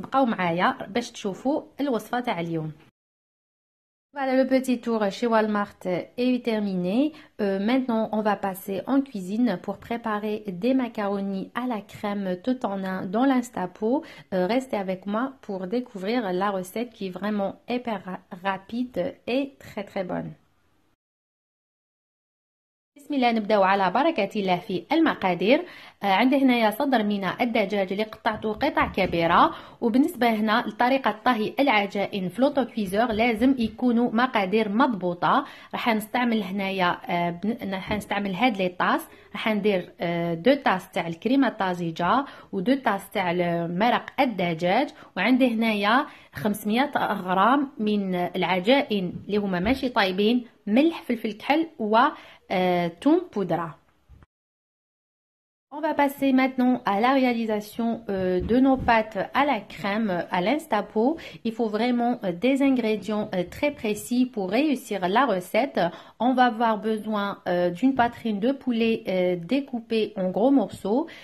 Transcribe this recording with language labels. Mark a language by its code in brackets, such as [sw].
[ar] بقاو معايا باش تشوفوا الوصفه تاع اليوم. [fr] Voilà, le petit tour chez Walmart est terminé. Maintenant, on va passer en cuisine pour préparer des macaronis à la crème tout en un dans l'instapot. Restez avec moi pour découvrir la recette qui est vraiment hyper rapide et très très bonne. [ar] بسم الله نبداو على بركة الله في المقادير. عندي هنايا صدر من الدجاج اللي قطعته قطع كبيرة. وبالنسبة هنا لطريقة طهي العجائن في لوطو كويزور لازم يكونوا مقادير مضبوطة. راح نستعمل هنايا راح نستعمل هاد لي طاس. راح ندير دو طاس تاع الكريمة الطازجة ودو طاس تاع مرق الدجاج. وعندي هنايا 500 غرام من العجائن اللي هما ماشي طايبين، ملح، فلفل كحل و ثوم بودرة. [fr] On va passer maintenant à la réalisation de nos pâtes à la crème à l'instapot. Il faut vraiment des ingrédients très précis pour réussir la recette. On va avoir besoin d'une poitrine de poulet découpée en gros morceaux.